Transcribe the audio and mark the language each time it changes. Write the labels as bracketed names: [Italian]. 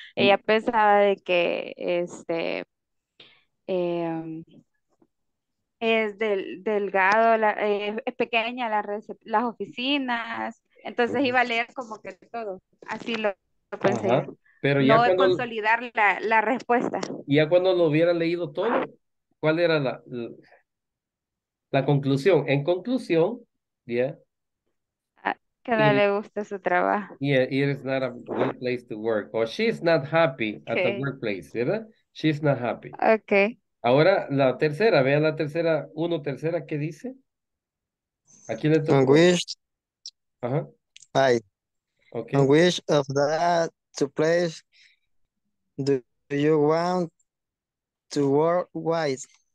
[Spanish] Ella pensaba de que es delgado, es pequeña las oficinas, entonces iba a leer como que todo, así lo pensé, pero no de consolidar la respuesta. Ya cuando lo hubiera leído todo, ¿cuál era la conclusión? En conclusión, que no le gusta su trabajo. [English] Yeah, it is not a good place to work. Or she's not happy at the workplace, ¿verdad? She's not happy. Okay. [Spanish] Ahora la tercera, vea la tercera, uno tercera, ¿qué dice? ¿A quién le tocó? [English] On which of that two place do you want to work wise?